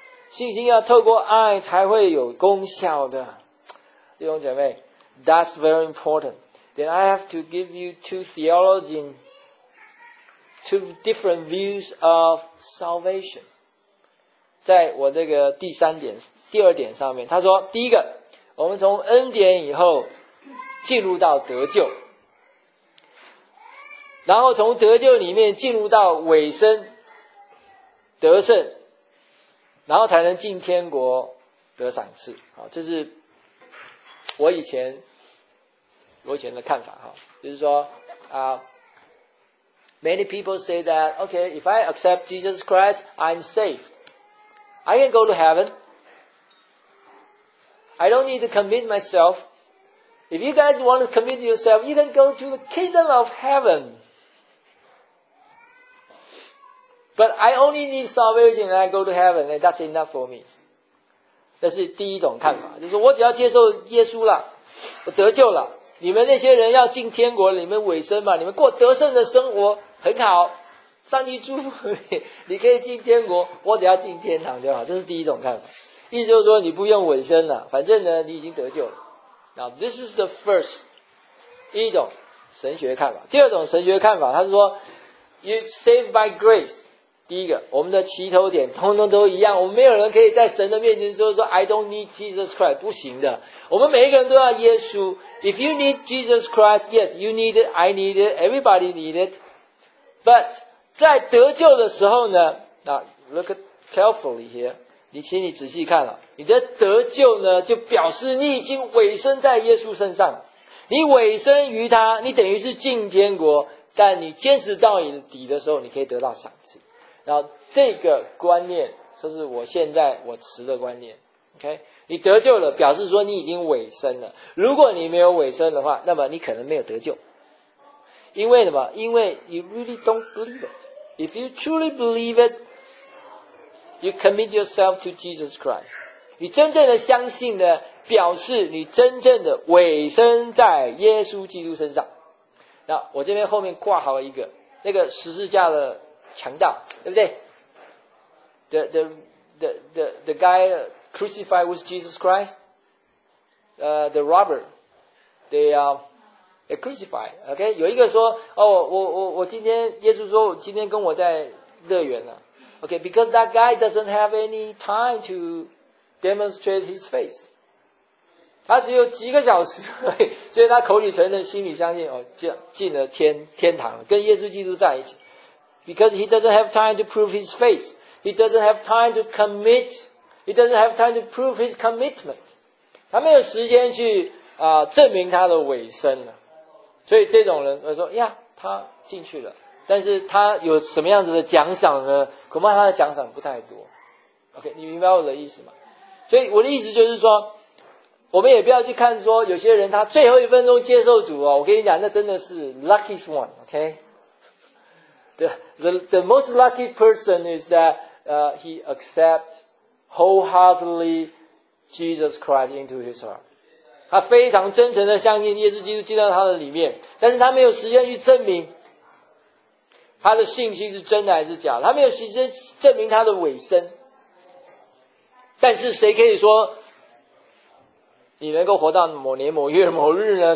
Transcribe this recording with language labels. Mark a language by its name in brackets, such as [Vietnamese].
[Chinese] 信心要透过爱才会有功效的。弟兄姐妹， [English] That's very important. Then I have to give you two theology in,Two different views of salvation. [Chinese] 在我这个第三点，第二点上面，他说，第一个，我们从恩典以后进入到得救，然后从得救里面进入到尾声得胜，然后才能进天国得赏赐。这是我以前的看法，就是说啊。 [English] Many people say that, okay, if I accept Jesus Christ, I'm safe. I can go to heaven. I don't need to commit myself. If you guys want to commit yourself, you can go to the kingdom of heaven. But I only need salvation and I go to heaven, and that's enough for me. [Chinese] 这是第一种看法，就是我只要接受耶稣了，我得救了。你们那些人要进天国，你们尾声嘛，你们过得胜的生活很好，上帝祝福你，你可以进天国，我只要进天堂就好，这是第一种看法。意思就是说你不用尾声了，反正呢你已经得救了。 [English] Now this is the first [Chinese] 一种神学看法。第二种神学看法，他是说 [English] You saved by grace， [Chinese] 第一个，我们的起头点通通都一样，我们没有人可以在神的面前说 [English] I don't need Jesus Christ， [Chinese] 不行的。我们每一个人都要耶稣。 [English] If you need Jesus Christ, yes, you need it, I need it, everybody need it. [Chinese] But 在得救的时候呢，那 [English] look carefully here， [Chinese] 你请你仔细看了，你的得救呢，就表示你已经委身在耶稣身上，你委身于他，你等于是进天国。但你坚持到底的时候，你可以得到赏赐。然后这个观念，这是我现在我持的观念。 OK， 你得救了，表示说你已经委身了。如果你没有委身的话，那么你可能没有得救。因为什么？因为 [English] you really don't believe it. If you truly believe it, you commit yourself to Jesus Christ. [Chinese] 你真正的相信呢，表示你真正的委身在耶稣基督身上。那我这边后面挂好了一个那个十字架的强盗，对不对？ [English] The guy crucified with Jesus Christ, the robber, they crucified. [Chinese] OK， 有一个说，哦，我今天耶稣说，今天跟我在乐园了。 [English] OK， because that guy doesn't have any time to demonstrate his faith. [Chinese] 他只有几个小时，所以他口里承认，心里相信，哦，进了天堂了，跟耶稣基督在一起。 [English] Because he doesn't have time to prove his faith. He doesn't have time to commit. He doesn't have time to prove his commitment. [Chinese] 他没有时间去证明他的委身了。所以这种人会说呀，他进去了。但是他有什么样子的奖赏呢？恐怕他的奖赏不太多。OK， 你明白我的意思吗？所以我的意思就是说，我们也不要去看说有些人他最后一分钟接受主哦，我跟你讲，那真的是 [English] luckiest one, OK? The most lucky person is that he accept wholeheartedly Jesus Christ into his heart. [Chinese] 他非常真诚的相信耶稣基督进到他的里面，但是他没有时间去证明他的信心是真的还是假的，他没有时间证明他的委身。但是谁可以说你能够活到某年某月某日呢？